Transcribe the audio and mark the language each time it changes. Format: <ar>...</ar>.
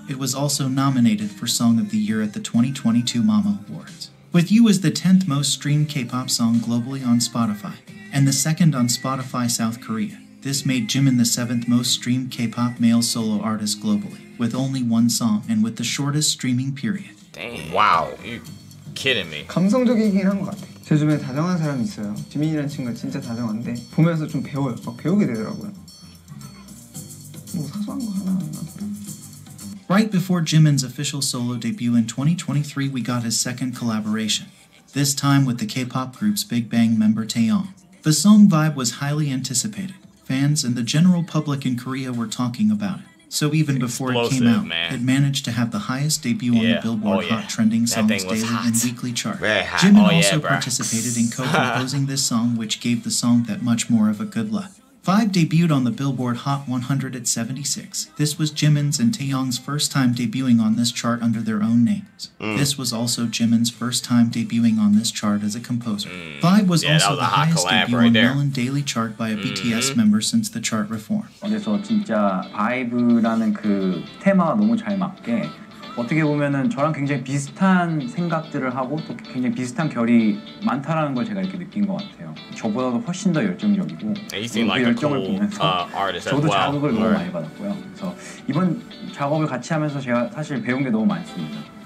<en>It was also nominated for Song of the Year at the 2022 MAMA Awards. With You was the 10th most streamed K-pop song globally on Spotify, and the second on Spotify South Korea. This made Jimin the 7th most streamed K-pop male solo artist globally, with only one song and with the shortest streaming period. Damn. Wow. You kidding me.</en> <ko>감성적이긴 한 것 같아. 제 주변에 다정한 사람이 있어요. 지민이라는 친구가 진짜 다정한데 보면서 좀 배워요. 막 배우게 되더라고요. 뭐 사소한 거 하나</ko> <en>Right before Jimin's official solo debut in 2023, we got his second collaboration. This time with the K-pop group's Big Bang member Taeyong. The song Vibe was highly anticipated. Fans and the general public in Korea were talking about it. So even before it came out, it managed to have the highest debut on the Billboard Hot Trending Songs Daily and Weekly chart. Jimin participated in co-composing this song, which gave the song that much more of a good luck. Vibe debuted on the Billboard Hot 100 at 76. This was Jimin's and Taeyong's first time debuting on this chart under their own names. Mm. This was also Jimin's first time debuting on this chart as a composer. Mm. Vibe was also was the highest debut on Melon Daily chart by a BTS member since the chart reform.</en> <ko>그래서 진짜 Vibe라는 그 테마가 너무 잘 맞게 어떻게 보면은 저랑 굉장히 비슷한 생각들을 하고 또 굉장히 비슷한 결이 많다라는 걸 제가 이렇게 느낀 것 같아요. 저보다도 훨씬 더 열정적이고 그 열정을 보면서 저도 자극을 너무 많이 받았고요. 그래서 이번 작업을 같이 하면서 제가 사실 배운 게 너무 많습니다.</ko>